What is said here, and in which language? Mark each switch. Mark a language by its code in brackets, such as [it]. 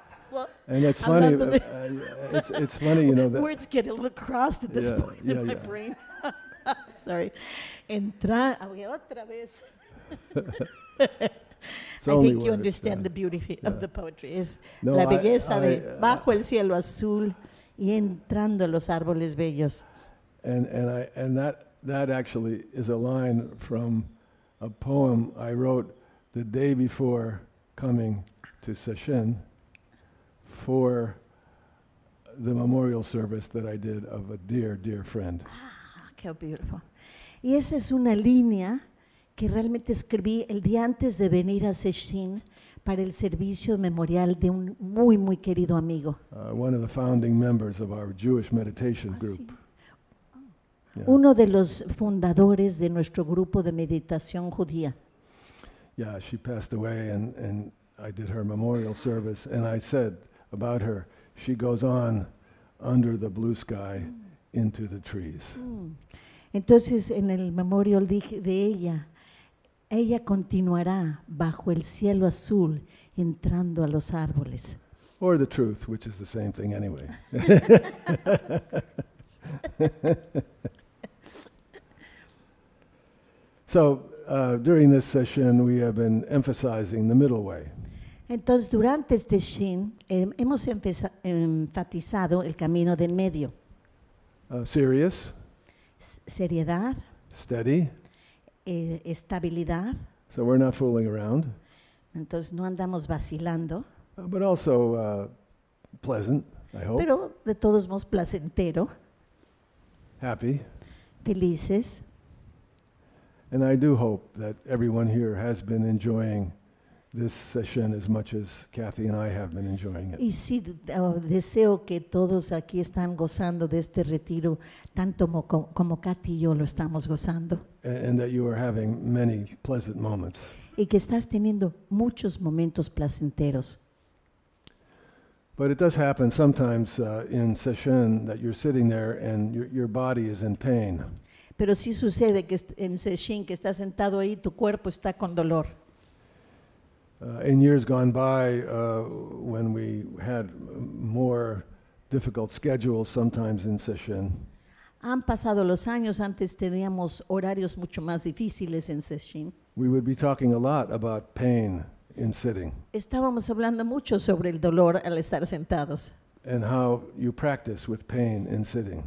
[en] Well, and it's I'm funny. It's funny, you know that. Words get a little crossed at this point in my brain. Sorry. [es] Otra vez. [en] I think you understand the beauty of the poetry. [es] Es no, la belleza de bajo el cielo azul y entrando a los árboles bellos. [en] And that actually is a line from a poem I wrote the day before coming to Sesshin for the memorial service that I did of a dear, dear friend. How beautiful. [es] Y esa es una línea que realmente escribí el día antes de venir a Sesshin para el servicio memorial de un muy, muy querido amigo. [en] One of the founding members of our Jewish meditation group. Yeah. [es] Uno de los fundadores de nuestro grupo de meditación judía. [en] Yeah, she passed away and I did her memorial service and I said about her, she goes on under the blue sky into the trees. [es] Entonces en el memorial dije de ella continuará bajo el cielo azul entrando a los árboles. [en] Or the truth, which is the same thing anyway. So during this session we have been emphasizing the middle way. [es] Entonces durante este session hemos enfatizado el camino del medio. [en] Serious. [es] Seriedad. [en] Steady. [es] Estabilidad. [en] So we're not fooling around. [es] Entonces no andamos vacilando. [en] But also pleasant, I hope. [es] Pero de todos modos placentero. [en] Happy. [es] Felices. [en] And I do hope that everyone here has been enjoying this session as much as Kathy and I have been enjoying it. [es] Y sí, deseo que todos aquí están gozando de este retiro tanto como Kathy y yo lo estamos gozando. [en] And that you are having many pleasant moments. [es] Y que estás teniendo muchos momentos placenteros. [en] But it does happen sometimes in session that you're sitting there and your body is in pain. [es] Pero sí sucede que en Sesshin, que estás sentado ahí, tu cuerpo está con dolor. [en] In years gone by, when we had more difficult schedules sometimes in Sesshin. [es] Han pasado los años, antes teníamos horarios mucho más difíciles en Sesshin. [en] We would be talking a lot about pain in sitting. [es] Estábamos hablando mucho sobre el dolor al estar sentados. [en] And how you practice with pain in sitting.